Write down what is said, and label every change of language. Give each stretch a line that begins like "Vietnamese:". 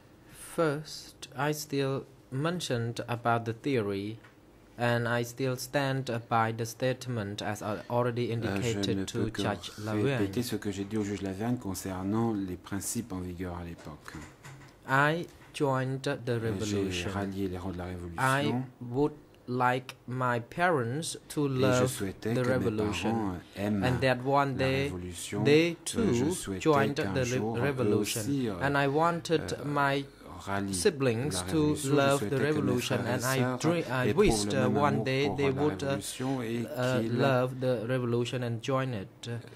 English: First, I still mentioned about the theory, and I still stand by the statement as I already indicated to Judge Laverne.
French: Je ne peux que répéter ce que j'ai dit au juge Laverne concernant les principes en vigueur à l'époque.
English: I joined the revolution.
French: J'ai rallié les rangs de la révolution.
English: I would like my parents to love the revolution, and that one day they too joined the revolution, and I wanted my siblings to love the revolution, and I wished one day they would love the revolution and join it.